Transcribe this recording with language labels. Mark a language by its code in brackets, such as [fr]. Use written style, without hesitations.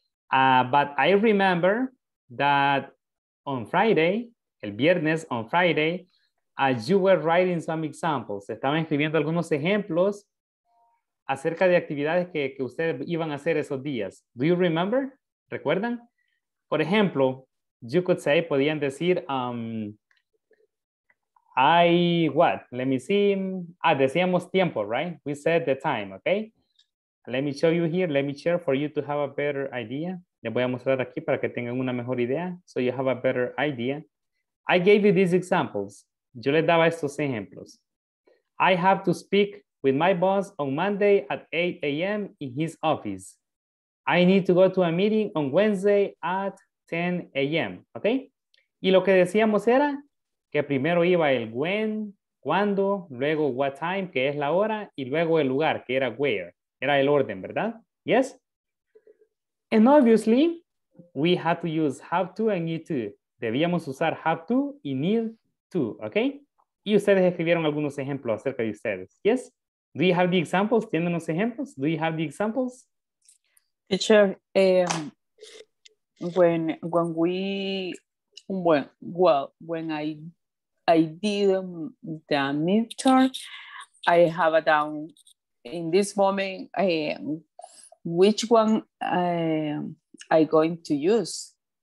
[en] But I remember that on Friday, [es] el viernes [en] on Friday, you were writing some examples. [es] Estaban escribiendo algunos ejemplos acerca de actividades que ustedes iban a hacer esos días. [en] Do you remember? [es] ¿Recuerdan? Por ejemplo, [en] you could say, [es] podían decir, decíamos tiempo, [en] right? We said the time, okay? Let me show you here, let me share for you to have a better idea. [es] Les voy a mostrar aquí para que tengan una mejor idea. [en] So you have a better idea. I gave you these examples. [es] Yo les daba estos ejemplos. [en] I have to speak with my boss on Monday at 8 a.m. in his office. I need to go to a meeting on Wednesday at 10 a.m. Okay? [es] Y lo que decíamos era que primero iba el when, cuando, luego [en] what time, [es] que es la hora, y luego el lugar, que era where. Era el orden, ¿verdad? Yes? [en] And obviously, we had to use have to and need to. [es] Debíamos usar have to y need to, okay? Y ustedes escribieron algunos ejemplos acerca de ustedes. [en] Yes? Do you have the examples? [es] ¿Tienen los ejemplos? [en] Do you have the examples? Teacher, when I did the midterm, I have a down in this moment, which one I going to use?